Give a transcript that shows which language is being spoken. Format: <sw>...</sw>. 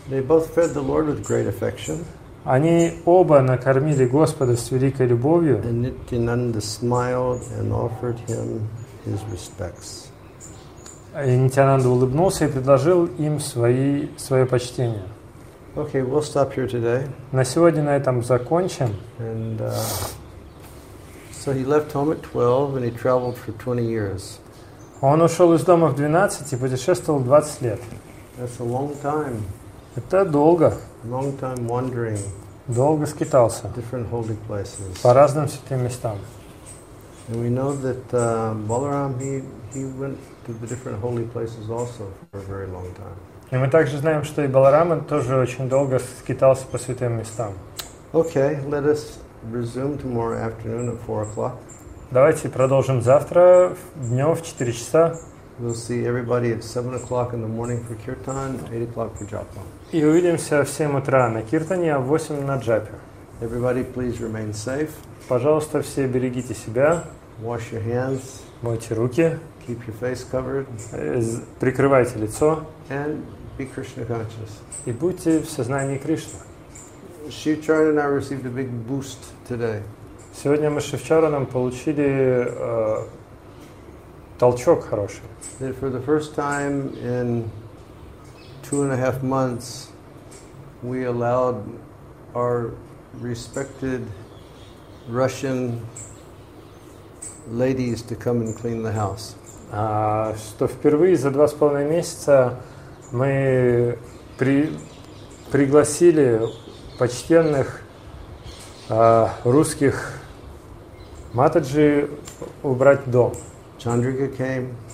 <en>They both fed the Lord with great affection.</en> <ru>Они оба накормили Господа с великой любовью.</ru> <en>And Nityananda smiled and offered him his respects.</en> <ru>И Нитьянанда улыбнулся и предложил им свое почтение.</ru> <en>Okay, we'll stop here today.</en> <ru>На сегодня на этом закончим.</ru> <en>And so he left home at 12 and he traveled for 20 years.</en> <ru>Он ушел из дома в 12 и путешествовал 20 лет.</ru> <en>That's a long time.</en> <ru>Это долго.</ru> <en>Long time wandering.</en> <ru>Долго скитался.</ru> <en>Different holy places.</en> <ru>По разным святым местам.</ru> <en>And we know that Balaram he went to the different holy places also for a very long time.</en> <ru>И мы также знаем, что и Баларама тоже очень долго скитался по святым местам.</ru> <en>Okay, let us resume tomorrow afternoon at 4 o'clock.</en> <ru>Давайте продолжим завтра днем в 4 часа.</ru> <en>We'll see everybody at 7 o'clock in the morning for kirtan, 8 o'clock for japa.</en> <ru>И увидимся в 7 утра на киртане, а в 8 на джапе.</ru> <en>Everybody, please remain safe.</en> <ru>Пожалуйста, все берегите себя.</ru> <en>Wash your hands.</en> <ru>Мойте руки.</ru> <en>Keep your face covered.</en> <ru>Прикрывайте лицо.</ru> <en>And be Krishna conscious.</en> <ru>И будьте в сознании Кришны.</ru> <en>Шивчара and I received a big boost today.</en> <ru>Сегодня мы с Шивчараном получили толчок хороший.</ru> <en>For the first time in 2.5 months, we allowed our respected Russian ladies to come and clean the house.</en> <ru>Что впервые за 2.5 месяца мы пригласили почтенных русских матаджи убрать дом.</ru> <en>Chandrika came.</en>